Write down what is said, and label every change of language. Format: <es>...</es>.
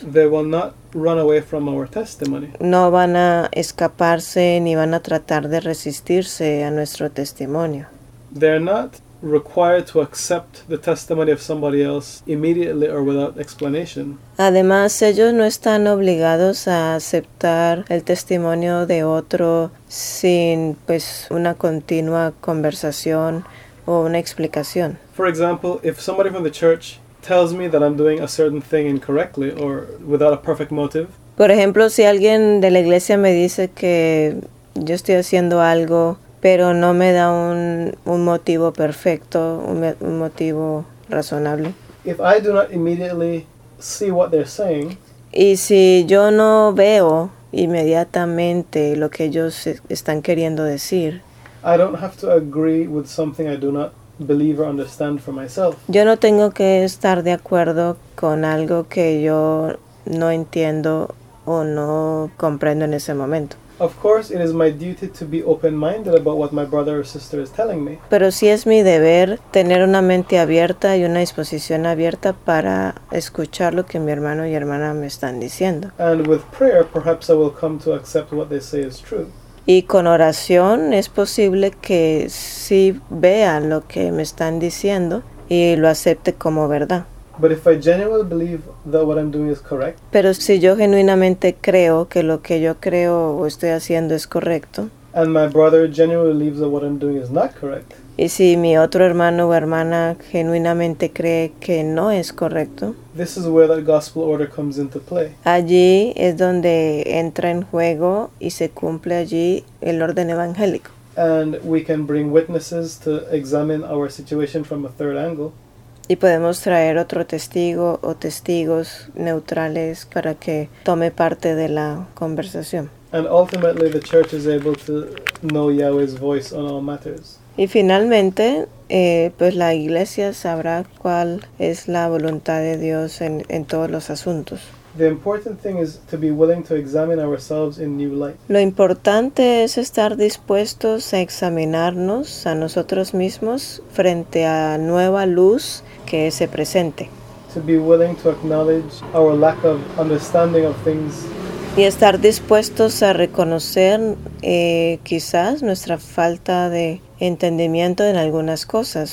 <en>they will not run away from our testimony.</en> <es>No van a escaparse ni van a tratar de resistirse a nuestro testimonio.</es> <en>They're not required to accept the testimony of somebody else immediately or without explanation.</en> <es>Además, ellos no están obligados a aceptar el testimonio de otro sin, pues, una continua conversación o una explicación.</es> <en>For example, if somebody from the church tells me that I'm doing a certain thing incorrectly or without a perfect motive.</en> <es>Por ejemplo, si alguien de la iglesia me dice que yo estoy haciendo algo pero no me da un motivo perfecto, un motivo razonable.</es> <en>If I do not immediately see what they're saying,</en> <es>y si yo no veo inmediatamente lo que ellos están queriendo decir,</es> <en>I don't have to agree with something I do not believe or understand for myself.</en> <es>Yo no tengo que estar de acuerdo con algo que yo no entiendo o no comprendo en ese momento.</es> <en>Of course, it is my duty to be open-minded about what my brother or sister is telling me.</en> <es>Pero sí es mi deber tener una mente abierta y una disposición abierta para escuchar lo que mi hermano y hermana me están diciendo.</es> <en>And with prayer, perhaps I will come to accept what they say is true.</en> <es>Y con oración es posible que sí vea lo que me están diciendo y lo acepte como verdad.</es> <en>But if I genuinely believe that what I'm doing is correct,</en> <es>pero si yo genuinamente creo que lo que yo creo o estoy haciendo es correcto,</es> <en>and my brother genuinely believes that what I'm doing is not correct,</en> <es>y si mi otro hermano o hermana genuinamente cree que no es correcto,</es> <en>this is where that gospel order comes into play.</en> <es>Allí es donde entra en juego y se cumple allí el orden evangélico.</es> <en>And we can bring witnesses to examine our situation from a third angle.</en> <es>Y podemos traer otro testigo o testigos neutrales para que tome parte de la conversación.</es> <en>And ultimately the church is able to know Yahweh's voice on all matters.</en> <es>Y finalmente, pues la iglesia sabrá cuál es la voluntad de Dios en todos los asuntos.</es> <en>The important thing is to be willing to examine ourselves in new light.</en> <es>Lo importante es estar dispuestos a examinarnos a nosotros mismos frente a nueva luz que se presente.</es> <en>To be willing to acknowledge our lack of understanding of things.</en> <es>Y estar dispuestos a reconocer quizás nuestra falta de entendimiento en algunas cosas.</es>